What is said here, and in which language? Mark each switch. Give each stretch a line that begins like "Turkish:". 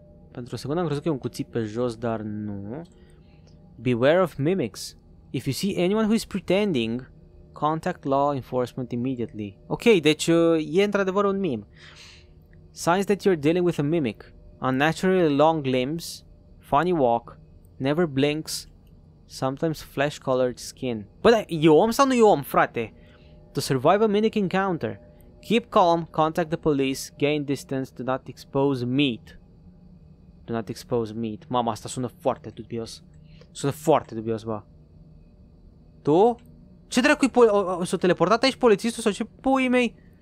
Romanian: Pentru o secundă am crezut că e un cuțit pe jos, dar nu.
English: Beware of mimics. If you see anyone who is pretending, contact law enforcement immediately.
Romanian: Ok, deci e într-adevăr un meme.
English: Signs that you're dealing with a mimic. Unnaturally long limbs, funny walk, never blinks, sometimes flesh-colored skin.
Romanian: Bă, e om sau nu e om, frate?
English: To survive a mimic encounter, keep calm, contact the police, gain distance, do not expose meat. Do not expose meat.
Romanian: Mama, asta sună foarte dubios. Sună foarte dubios, bă. Tu? Ce dracu e s-o teleportat aici polițistul sau ce pui mei?